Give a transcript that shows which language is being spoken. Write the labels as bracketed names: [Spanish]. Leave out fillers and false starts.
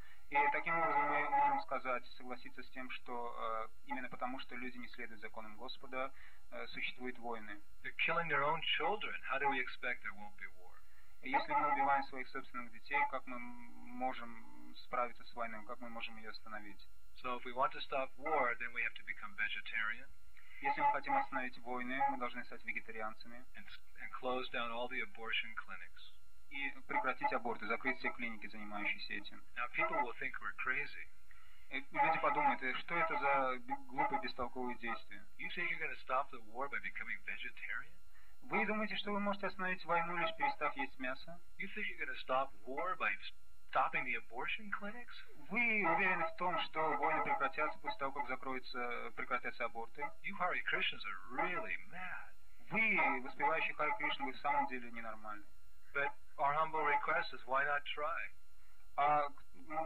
[Russian] И таким образом мы можем сказать, согласиться с тем, что именно потому, что люди не следуют законам Господа, существуют войны. [English] They're killing their own children. How do we expect there won't be war? [Russian] Если мы убиваем своих собственных детей, как мы можем справиться с войной? Как мы можем ее остановить? [English] So if we want to stop war, then we have to become vegetarian. [Russian] Если мы хотим остановить войны, мы должны стать вегетарианцами. [English] And close down all the abortion clinics. [Russian] И прекратить аборты, закрыть все клиники, занимающиеся этим. [English] Now people will think we're crazy. [Russian] Люди подумают, что это за глупые, бестолковые действия. [English] You think you're going to stop the war by becoming vegetarian? [Russian] Вы думаете, что вы можете остановить войну, лишь перестав есть мясо? [English] You think you're going to stop war by stopping the abortion clinics? [Russian] Вы уверены в том, что войны прекратятся после того, как прекратятся аборты? [English] You Hare Krishnas are really mad. [Russian] Вы, воспевающие Харе Кришну, вы в самом деле ненормальны. [English] But our humble request is, why not try?